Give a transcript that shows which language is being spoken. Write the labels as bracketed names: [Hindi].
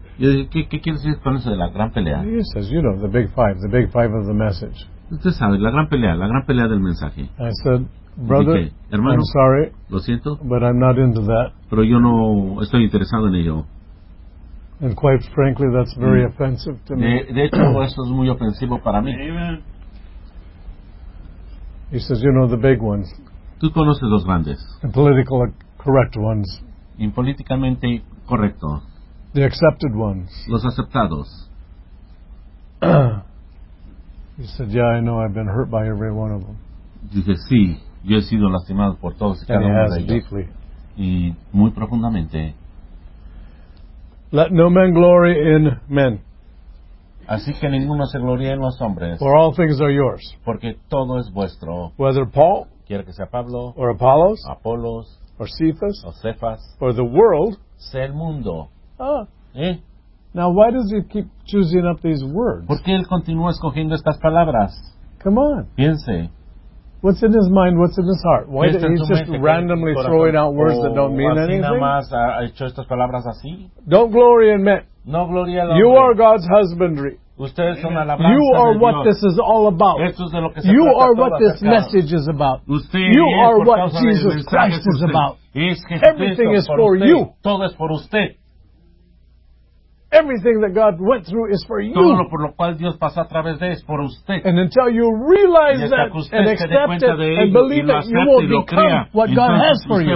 [Spanish] Yo dije, ¿qué quieres decir con eso de la gran pelea? [English] He says, you know, the big five of the message. [Spanish] Usted sabe, la gran pelea del mensaje. [English] I said, brother, [Spanish] dije, hermano, [English] I'm sorry, [Spanish] lo siento, [English] but I'm not into that. [Spanish] Pero yo no estoy interesado en ello. [English] And quite frankly, that's very offensive to me. [Spanish] De hecho, eso es muy ofensivo para mí. [English] He says, you know, the big ones. [Spanish] Tú conoces los grandes. [English] The political correct ones. [Spanish] Impolíticamente correcto. [English] The accepted ones. [Spanish] Los aceptados. [English] He said, yeah, I know, I've been hurt by every one of them. [Spanish] Dice, sí, yo he sido lastimado por todos y cada uno de ellos. [English] Deeply. [Spanish] Y muy profundamente. [English] Let no man glory in men. [Spanish] Así que ninguno se gloríe en los hombres. [English] For all things are yours. [Spanish] Porque todo es vuestro. [English] Whether Paul, [Spanish] quiera que sea Pablo, [English] or Apollos, [Spanish] Apolos, [English] or Cephas, [Spanish] o Cephas, [English] or the world, [Spanish] sea el mundo. [English] Now why does he keep choosing up these words? [Spanish] ¿Por qué él continúa escogiendo estas palabras? [English] Come on. [Spanish] Piense. [English] What's in his mind? What's in his heart? Why did he just randomly throw out words that don't mean anything? [Spanish] Nada más ha hecho estas palabras así. [English] Don't glory in men. [Spanish] No gloria al hombre. [English] You are God's husbandry. [Spanish] Ustedes son alabanza de Dios. [English] You are what this is all about. [Spanish] Esto es de lo que se [English] you [Spanish] trata [English] are what this message is about. [Spanish] Usted [English] you are what Jesus Christ is about. Everything is for you. [Spanish] Todo es por usted. [English] Everything that God went through is for you. [Spanish] Todo por lo cual Dios pasó a través de es por usted. [English] And until you realize that and accept it and believe it, you will become what God has for you.